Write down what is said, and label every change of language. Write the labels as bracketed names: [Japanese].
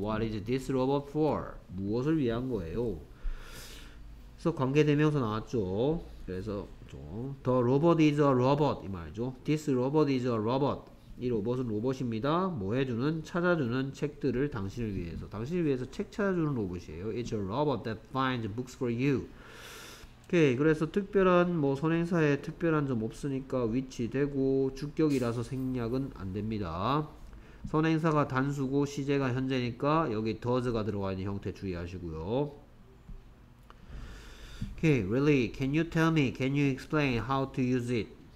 [English] What is this robot for? [Korean] 무엇을 위한 거예요? 그래서 관계대명사 나왔죠. 그래서 [English] The robot is a robot [Korean] 이 말이죠. [English] This robot is a robot. [Korean] 이 로봇은 로봇입니다. 뭐 해주는? 찾아주는 책들을 당신을 위해서. 당신을 위해서 책 찾아주는 로봇이에요. [English] It's a robot that finds books for you. [Korean] 오케이. 그래서 특별한 뭐 선행사에 특별한 점 없으니까 위치되고 주격이라서 생략은 안 됩니다. 선행사가 단수고 시제가 현재니까 여기 does가 들어가 있는 형태 주의하시고요. 오케이. [English] Really, can you tell me, can you explain how to use it?